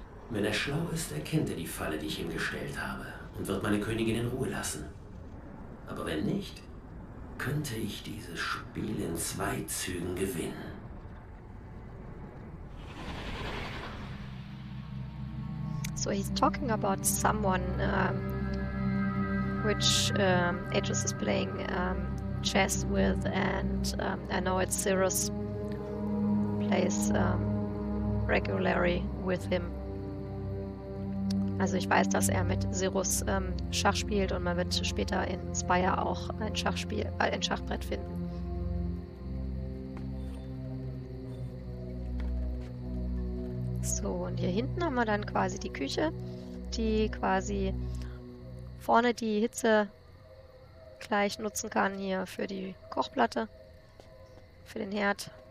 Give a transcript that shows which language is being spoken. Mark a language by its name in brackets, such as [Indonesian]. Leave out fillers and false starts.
[German] Wenn er schlau ist, erkennt er die Falle, die ich ihm gestellt habe, und wird meine Königin in Ruhe lassen. Aber wenn nicht, könnte ich dieses Spiel in zwei Zügen gewinnen. [English] So he's talking about someone which Aegis is playing chess with, and I know it's Cyrus plays regularly with him. [German] Also ich weiß, dass er mit Cyrus Schach spielt, und man wird später in Spire auch ein Schachspiel, ein Schachbrett finden. So, und hier hinten haben wir dann quasi die Küche, die quasi vorne die Hitze gleich nutzen kann, hier für die Kochplatte, für den Herd.